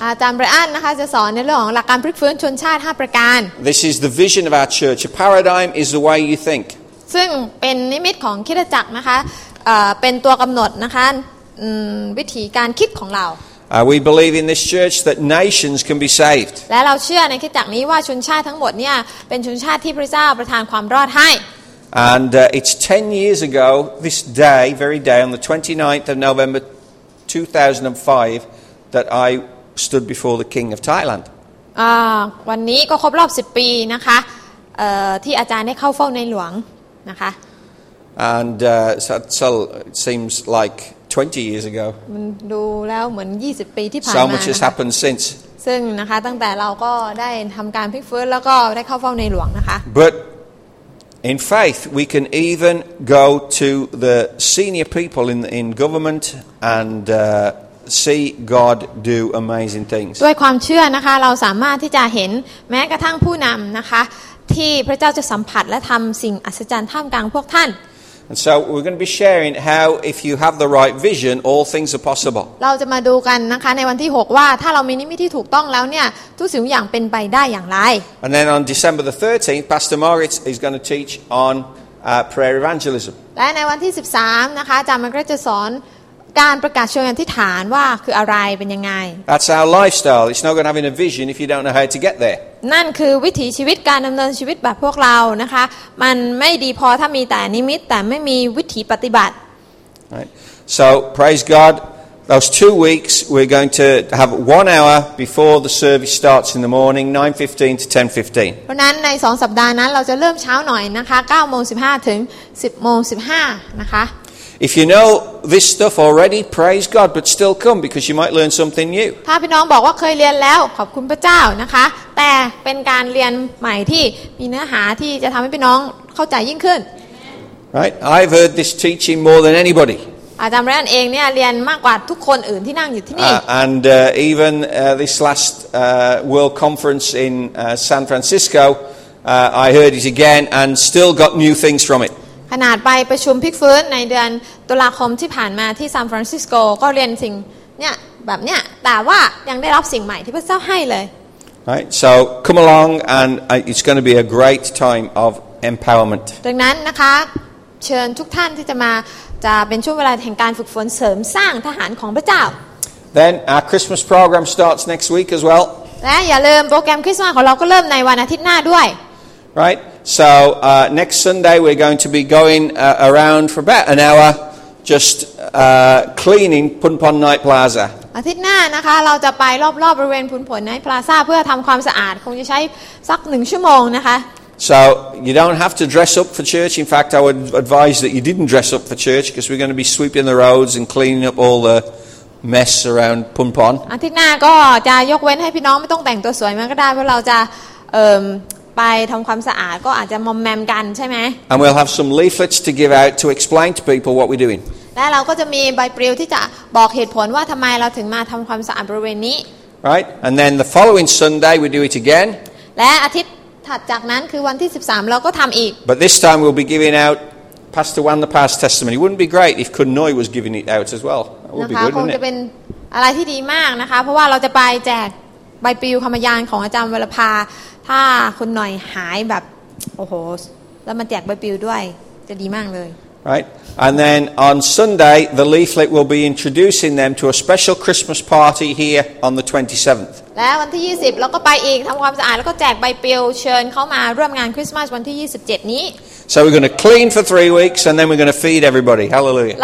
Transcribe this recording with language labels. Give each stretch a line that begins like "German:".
Thai: อาจารย์ไบรอันนะคะจะสอนในเรื่องหลักการพลิกฟื้นชนชาติ5ประการ
English: This is the vision of our church a paradigm is the way you think
Thai: ซึ่งเป็นนิมิตของคริสตจักรนะคะเป็นตัวกำหนดนะคะวิธีการคิดของเรา
English: We believe in this church that nations can be saved.
Thai: และเราเชื่อในคริสตจักรนี้ว่าชนชาติทั้งหมดเนี่ยเป็นชนชาติที่พระเจ้าประทานความรอดให้
English: And it's 10 years ago this day, very day on the 29th of November 2005 that I stood before the King of Thailand.
Thai: วันนี้ก็ครบรอบ10ปีนะคะที่อาจารย์ได้เข้าเฝ้าในหลวงนะคะ
English: And so it seems like 20 years ago.
Thai: มันดูแล้วเหมือน20ปีที่ผ่าน
English: มา So much has happened since.
Thai: ซึ่งนะคะตั้งแต่เราก็ได้ทำการพลิกฟื้นแล้วก็ได้เข้าเฝ้าในหลวงนะคะ
English: But in faith we can even go to the senior people in government andSee God do amazing things.
Thai: ด้วยความเชื่อนะคะเราสามารถที่จะเห็นแม้กระทั่งผู้นำนะคะที่พระเจ้าจะสัมผัสและทำสิ่งอัศจรรย์ท่ามกลางพวกท่าน
English: And so we're going to be sharing how if you have the right vision, all things are possible.
Thai: เราจะมาดูกันนะคะในวันที่6ว่าถ้าเรามีนิมิตที่ถูกต้องแล้วเนี่ยทุกสิ่งอย่างเป็นไปได้อย่างไร
English: And then on December the 13th, Pastor Moritz is going to teach on prayer evangelism.
Thai: และในวันที่13นะคะอาจารย์มาร์กจะสอนการประกาศเชิงอธิษฐานว่าคืออะไรเป็นยังไง
English: That's our lifestyle. It's not going to have a vision if you don't know how to get there.
Thai: นั่นคือวิถีชีวิตการดำเนินชีวิตแบบพวกเรานะคะมันไม่ดีพอถ้ามีแต่นิมิตแต่ไม่มีวิถีปฏิบัติ
English: Right. So praise God. Those 2 weeks we're going to have 1 hour before the service starts in the morning, 9:15 to 10:15.
Thai: เพราะนั้นในสองสัปดาห์นั้นเราจะเริ่มเช้าหน่อยนะคะ9:15 ถึง 10:15 นะคะ
English: If you know this stuff already, praise God, but still come because you might learn something new.
Thai: ถ้าพี่น้องบอกว่าเคยเรียนแล้วขอบคุณพระเจ้านะคะแต่เป็นการเรียนใหม่ที่มีเนื้อหาที่จะทำให้พี่น้องเข้าใจยิ่งขึ้น
English: Right, I've heard this teaching more than anybody.
Thai: อาจารย์แรนเองเนี่ยเรียนมากกว่าทุกคนอื่นที่นั่งอยู่ที่นี่
English: And even this last world conference in San Francisco, I heard it again and still got new things from it.
Thai: ขนาดไปประชุมพลิกฟื้นในเดือนตุลาคมที่ผ่านมาที่ซานฟรานซิสโกก็เรียนสิ่งเนี่ยแบบเนี้ยแต่ว่ายังได้รับสิ่งใหม่ที่พระเจ้าให้เลย
English: Right so come along and it's going to be a great time of empowerment
Thai: ดังนั้นนะคะเชิญทุกท่านที่จะมาจะเป็นช่วงเวลาแห่งการฝึกฝนเสริมสร้างทหารของพระเจ้า
English: Then our Christmas program starts next week as well
Thai: และอย่าลืมโปรแกรมคริสต์มาสของเราก็เริ่มในวันอาทิตย์หน้าด้วย
English: RightSo next Sunday we're going to be going around for about an hour, just cleaning Phunpon Night Plaza.
Thai: อาทิตย์หน้านะคะเราจะไปรอบๆบริเวณ Phunpon Night Plaza เพื่อทำความสะอาดคงจะใช้สัก1ชั่วโมงนะคะ
English: So you don't have to dress up for church. In fact, I would advise that you didn't dress up for church because we're going to be sweeping the roads and cleaning up all the mess around Phunpon.
Thai: อาทิตย์หน้าก็จะยกเว้นให้พี่น้องไม่ต้องแต่งตัวสวยมากก็ได้เพราะเราจะไปทำความสะอาดก็อาจจะมอมแมมกันใช่ไหม
English: And we'll have some leaflets to give out to explain to people what we're doing.
Thai: และเราก็จะมีใบปลิวที่จะบอกเหตุผลว่าทำไมเราถึงมาทำความสะอาดบริเวณนี้
English: Right, and then the following Sunday we do it again.
Thai: และอาทิตย์ถัดจากนั้นคือวันที่13เราก็ทำอีก
English: But this time we'll be giving out Pastor Wan the past testimony. Wouldn't be great if Khun Noi was giving it out as well. That would be good, wouldn't it?
Thai: คงจะเป็นอะไรที่ดีมากนะคะเพราะว่าเราจะไปแจกใบปลิวคำพยานของอาจารย์วรภาถ้าคุณหน่อยหายแบบโอ้โหแล้วมาแจกใบปลิวด้วยจะดีมากเลย
English: Right and then on Sunday the leaflet will be introducing them to a special Christmas party here on the 27th
Thai: แล้ววันที่20เราก็ไปอีกทำความสะอาดแล้วก็แจกใบปลิวเชิญเขามาร่วมงานคริสต์มาสวันที่27นี้
English: So we're going to clean for 3 weeks and then we're going to feed everybody Hallelujah